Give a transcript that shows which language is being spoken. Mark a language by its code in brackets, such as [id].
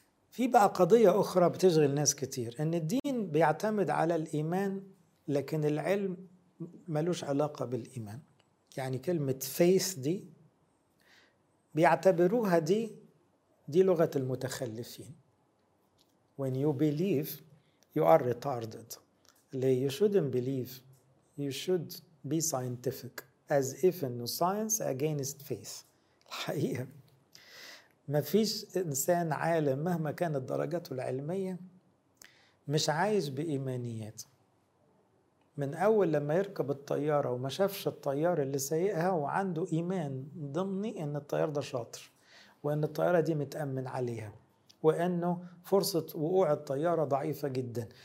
[ar] في بقى قضية أخرى بتشغل ناس كتير، أن الدين بيعتمد على الإيمان لكن العلم ملوش علاقة بالإيمان. يعني كلمة فيث دي بيعتبروها دي لغة المتخلفين. [en] When you believe, you are retarded. You shouldn't believe. You should be scientific. As if no science against faith. [ar] الحقيقة ما فيش إنسان عالم مهما كانت درجاته العلمية مش عايش بإيمانيات. من أول لما يركب الطيارة وما شافش الطيارة اللي سايقها وعنده إيمان ضمني إن الطيارة ده شاطر وإن الطيارة دي متأمن عليها وأنه فرصة وقوع الطيارة ضعيفة جدا.